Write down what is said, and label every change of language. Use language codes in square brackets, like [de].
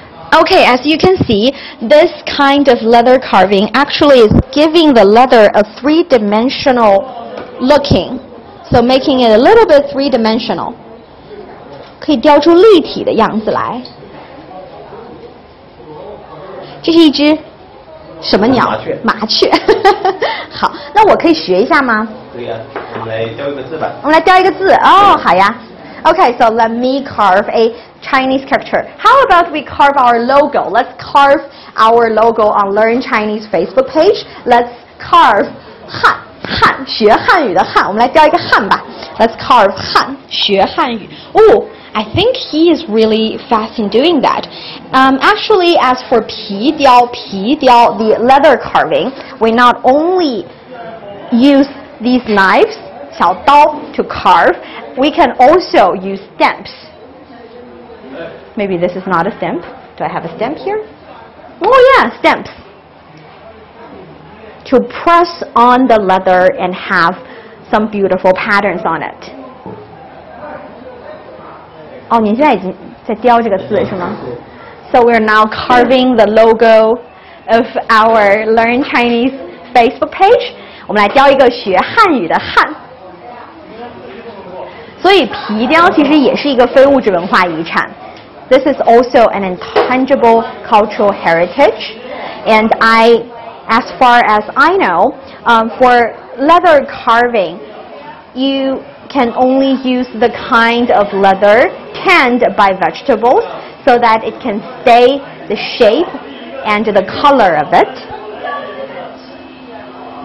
[en] Okay, as you can see, this kind of leather carving actually is giving the leather a three-dimensional looking, so making it a little bit three-dimensional. [zh] 可以雕出立体的样子来。这是一只。什么鸟？麻雀。好，那我可以学一下吗？对呀，我们来雕一个字吧。我们来雕一个字哦，好呀。 [en] Okay, so let me carve a Chinese character. How about we carve our logo? Let's carve our logo on Learn Chinese Facebook page. Let's carve [zh] 汉，学汉语的汉。我们来雕一个汉吧。Let's carve 汉，学汉语。哦， [en] I think he is really fast in doing that. Actually, as for piao, the leather carving, we not only use these knives, 小刀, to carve, we can also use stamps. Maybe this is not a stamp. Do I have a stamp here? Oh yeah, stamps. To press on the leather and have some beautiful patterns on it. [zh] 哦，你现在已经在雕这个字是吗？ [en] So we're now carving the logo of our Learn Chinese Facebook page. [zh] 我们来雕一个学汉语的汉。所以皮雕其实也是一个非物质文化遗产。 [en] This is also an intangible cultural heritage. And I, as far as I know, for leather carving, you can only use the kind of leather tanned by vegetables so that it can stay the shape and the color of it.